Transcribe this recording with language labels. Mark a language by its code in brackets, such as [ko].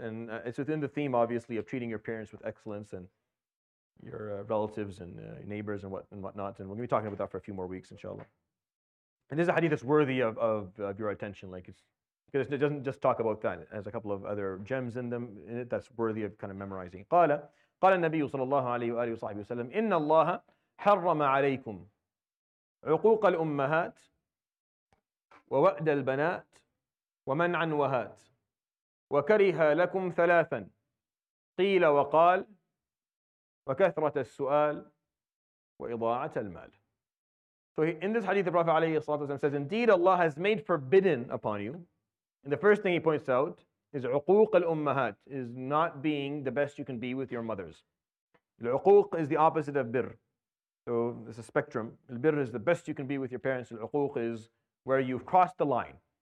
[en] And it's within the theme, obviously, of treating your parents with excellence and your relatives and neighbors and whatnot. And we'll be talking about that for a few more weeks, inshallah. And this is a hadith that's worthy of your attention. Like it's, because it doesn't just talk about that. It has a couple of other gems in them in it that's worthy of kind of memorizing. [ar] قال قال النبي صلى الله عليه وآله وصحبه وسلم إن الله حرم عليكم عقوق الأمهات ووأد البنات ومنع وهات وكره لكم ثلاثا قيل وقال وكثرة السؤال وإضاعة المال. [en] So in this hadith, the Prophet ﷺ says, indeed Allah has made forbidden upon you. And the first thing he points out is عقوق الأمهات, is not being the best you can be with your mothers. العقوق is the opposite of بر. So it's a spectrum. البر is the best you can be with your parents. العقوق is where you've crossed the line.